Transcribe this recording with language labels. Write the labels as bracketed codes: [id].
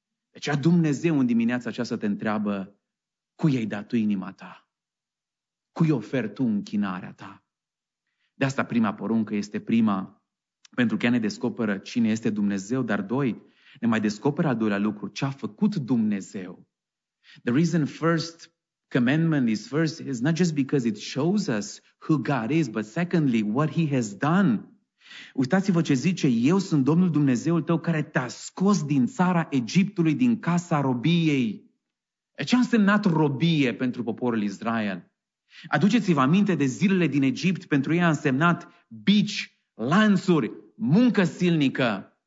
[ro] Deci Dumnezeu în dimineața aceasta te întreabă: cui ai dat tu inima ta? Cui oferi tu închinarea ta? De asta prima poruncă este prima, pentru că ea ne descoperă cine este Dumnezeu, dar doi, ne mai descoperă al doilea lucru: ce a făcut Dumnezeu. [en] The reason first commandment is first is not just because it shows us who God is, but secondly, what He has done. [ro] Uitați-vă ce zice: eu sunt Domnul Dumnezeul tău care te-a scos din țara Egiptului, din casa robiei. Ce a însemnat robie pentru poporul Israel? Aduceți-vă aminte de zilele din Egipt, pentru ei a însemnat bici, lanțuri, muncă silnică.